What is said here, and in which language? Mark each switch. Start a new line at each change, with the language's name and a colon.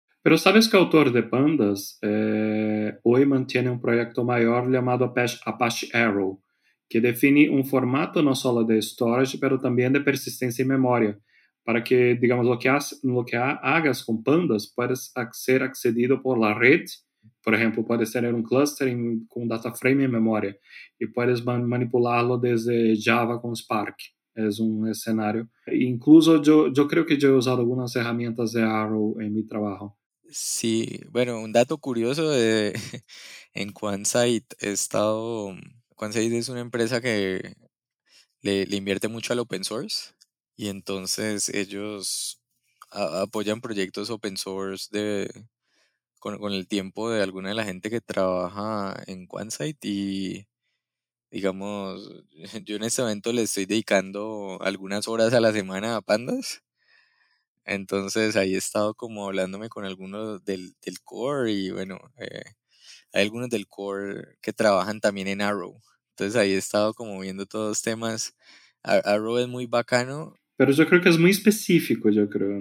Spanish: Pero sabes que autor de Pandas hoy mantiene un proyecto mayor llamado Apache Arrow, que define un formato no solo de storage, pero también de persistencia y memoria, para que, digamos, lo que hagas con Pandas puedas ser accedido por la red, por ejemplo, puedes tener un cluster con data frame en memoria y puedes manipularlo desde Java con Spark.
Portuguese: É um cenário. Incluso eu creio que já usado algumas ferramentas de Arrow em meu trabalho. Sim, sí.
Spanish: Bueno, um dato curioso em QuantSight, he estado.
Portuguese: QuantSight é uma empresa que le invierte muito ao open source e então eles apoiam projetos open source de com o tempo de alguma da gente que trabalha em QuantSight e digamos,
Spanish: yo en este momento le estoy dedicando algunas horas a la semana a Pandas. Entonces ahí he estado como hablándome con algunos del core y bueno, hay algunos del core que trabajan también en Arrow. Entonces ahí he estado como viendo todos los temas. Arrow es muy bacano. Pero yo creo que es muy específico, yo creo.